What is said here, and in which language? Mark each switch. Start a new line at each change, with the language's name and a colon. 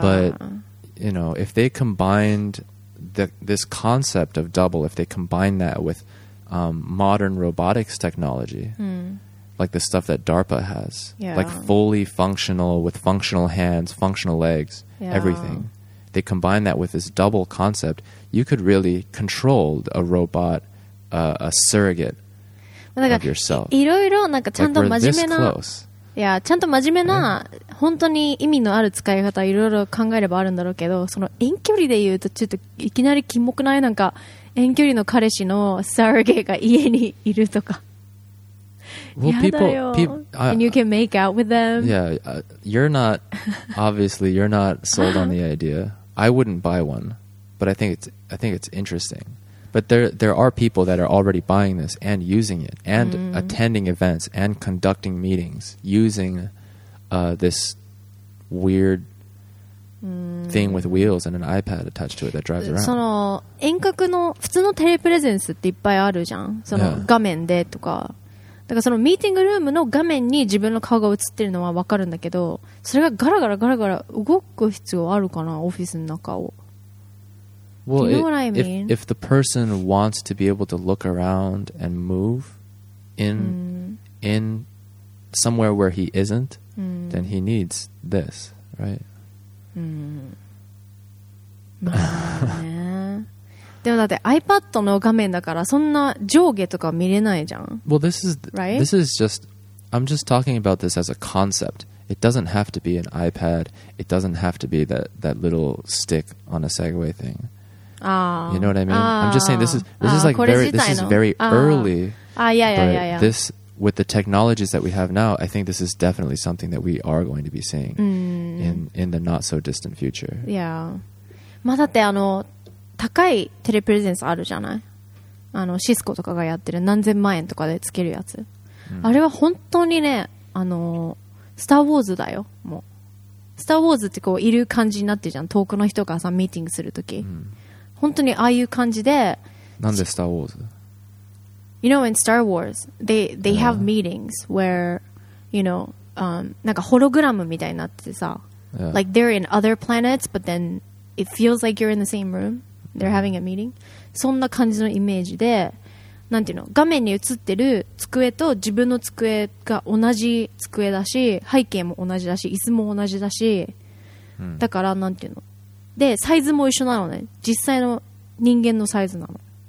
English: But, you know, if they combined this concept of double, if they combine that with modern robotics technology, like the stuff that DARPA has, like fully functional with functional hands, functional legs, everything, they combine that with this double concept, you could really control a robot, a surrogate,
Japanese: なんかいろいろなんかちゃんと真面目な、ちゃんと真面目な本当に意味のある使い方いろいろ考えればあるんだろうけど、その遠距離で言うとちょっといきなりキモくない？なんか遠距離の彼氏のサーゲイが家にいるとか。
English: Well, and you can make out with them. Yeah, you're not, obviously you're not sold on the idea. I wouldn't buy one, but I think it's interesting. But there are people that are already buying this and using it and attending events and conducting meetings using this weird thing with wheels and an iPad attached to it that drives around.
Japanese: その遠隔の普通のテレプレゼンスっていっぱいあるじゃん。その画面でとか。だからそのミーティングルームの画面に自分の顔が映ってるのはわかるんだけど、それがガラガラガラガラ動く必要あるかな、オフィスの中を。
English: Well, do you know what I mean? If the person wants to be able to look around and move in somewhere where he isn't, then he needs this, right?
Japanese: でもだって iPad の画面だからそんな上下とか見れないじゃん。
English: Well, this is, right? This is just, I'm just talking about this as a concept. It doesn't have to be an iPad. It doesn't have to be that little stick on a Segway thing. You know what I mean? I'm just saying this is like very, this is very early. This, with the technologies that we have now, I think this is definitely something that we are going to be seeing in the not so distant future. Yeah.
Japanese: まあだってあの高いテレプレゼンスあるじゃない、あのシスコとかがやってる何千万円とかでつけるやつ、あれは本当にね、あのスターウォーズだよ、もうスターウォーズってこういる感じになってるじゃん、遠くの人がさミーティングするとき、本当にああいう感じで。なんでスターウォーズ、
English: You know in Star Wars they have meetings where you know、
Japanese: なんかホログラムみたいになっててさ、
English: like they're in other planets but thenIt feels like you're in the same room. They're having a meeting.
Japanese: そんな感じのイメージで、なんていうの、画面に映ってる机と自分の机が同じ机だし、背景も同じだし、椅子も同じだし、だからなんていうの、でサイズも一緒なのね。実際の人間のサイズなの。